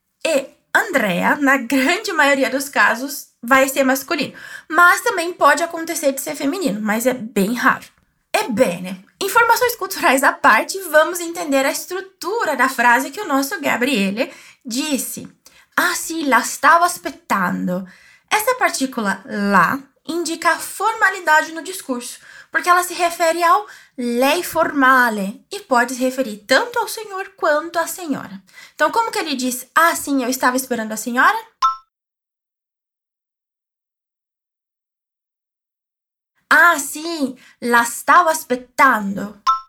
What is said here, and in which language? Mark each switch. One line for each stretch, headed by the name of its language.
Portuguese: E Andrea, na grande maioria dos casos, vai ser masculino. Mas também pode acontecer de ser feminino, mas é bem raro.
Italian: Ebbene,
Portuguese: informações culturais à parte, vamos entender a estrutura da frase que o nosso Gabriele disse.
Italian: Ah, sì, la stavo aspettando.
Portuguese: Essa partícula la indica a formalidade no discurso, porque ela se refere ao lei formale e pode se referir tanto ao senhor quanto à senhora. Então, como que ele diz, ah, sim, eu estava esperando a senhora?
Italian: Ah, sim, la stavo aspettando.